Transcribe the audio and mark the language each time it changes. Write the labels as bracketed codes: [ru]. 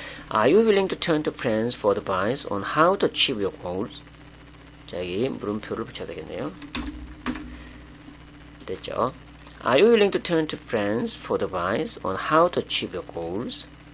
[en] Are you willing to turn to friends for advice on how to achieve your goals? [ko] 자, 여기 물음표를 붙여야 되겠네요. 됐죠? [en] Are you willing to turn to friends for advice on how to achieve your goals?